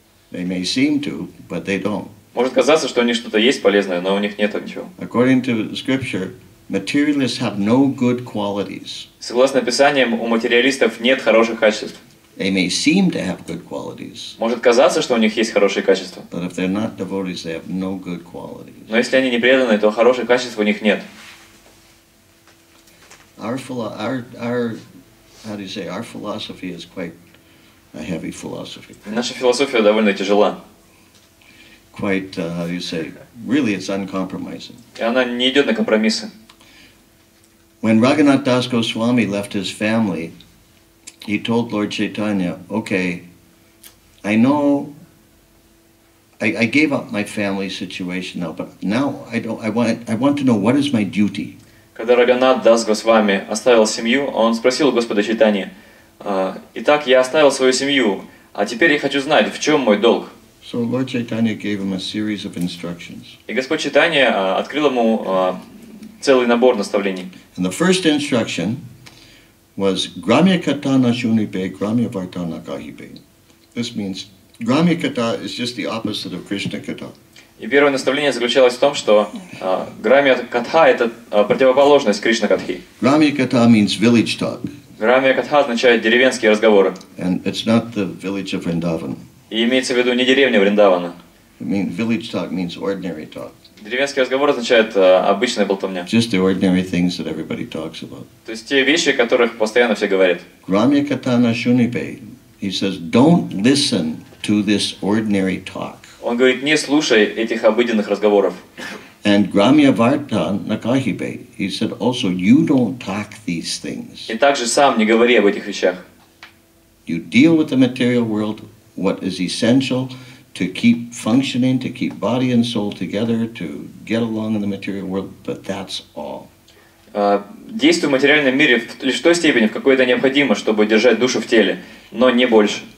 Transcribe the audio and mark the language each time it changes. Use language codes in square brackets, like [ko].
[en] They may seem to, but they don't. [ru] Может казаться, что у них что-то есть полезное, но у них нет ничего. [en] According to scripture, materialists have no good qualities. [ru] Согласно Писаниям, у материалистов нет хороших качеств. [en] They may seem to have good qualities. [ru] Может казаться, что у них есть хорошие качества. [en] But if they're not devotees, they have no good qualities. [ru] Но если они не преданные, то хороших качеств у них нет. [en] Our philosophy is quite, a heavy philosophy. [ru] Наша философия довольно тяжела. [en] Quite, how do you say, really it's uncompromising. [ru] И она не идет на компромиссы. [en] When Raghunath Das Goswami left his family, he told Lord Chaitanya, okay, I know I gave up my family situation now, but now I want to know what is my duty. [ru] Когда Раганат Дас Госвами оставил семью, он спросил Господа Чайтани, «Итак, я оставил свою семью, а теперь я хочу знать, в чем мой долг?» [en] So Lord Chaitanya gave him a series of instructions. [ru] И Господь Чайтани открыл ему целый набор наставлений. [en] And the first instruction was [bn] «Грамья ката на шунипе, грамья варта на кахипе». [en] This means «Грамья ката» is just the opposite of «Кришна ката». [ru] И первое наставление заключалось в том, что грамья катха – это противоположность Кришна катхи. [en] Грамья катха means village talk. [ru] Грамья катха означает деревенские разговоры. [en] And it's not the village of Vrindavan. [ru] И имеется в виду не деревня Вриндавана. [en] Village talk means ordinary talk. [ru] Деревенский разговор означает обычная болтовня. [en] Just the ordinary things that everybody talks about. [ru] То есть те вещи, о которых постоянно все говорят. [bn] Грамья катха на шунипе. [en] He says, don't listen to this ordinary talk. [ru] Он говорит, не слушай этих обыденных разговоров. [en] And Grahmya Varta Nakahibe, he said also, you don't talk these things. [ru] И также сам не говори об этих вещах. [en] You deal with the material world, what is essential to keep functioning, to keep body and soul together, to get along in the material world, but that's all. [ru] Действуй в материальном мире лишь в той степени, в какой это необходимо, чтобы держать душу в теле, но не больше.